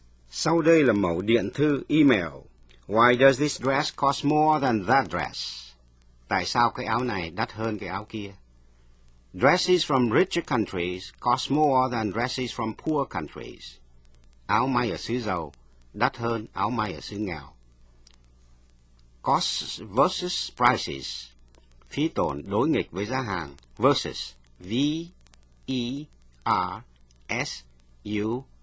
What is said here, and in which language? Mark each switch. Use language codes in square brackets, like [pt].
[vi] Sau đây là mẫu điện thư email. [en] Why does this dress cost more than that dress? [vi] Tại sao cái áo này đắt hơn cái áo kia? [en] Dresses from richer countries cost more than dresses from poor countries. [vi] Áo may ở xứ giàu đắt hơn áo may ở xứ nghèo. [en] Costs versus prices. [vi] Phí tổn đối nghịch với giá hàng [en] versus [vi] V E R S-U-S-V-S.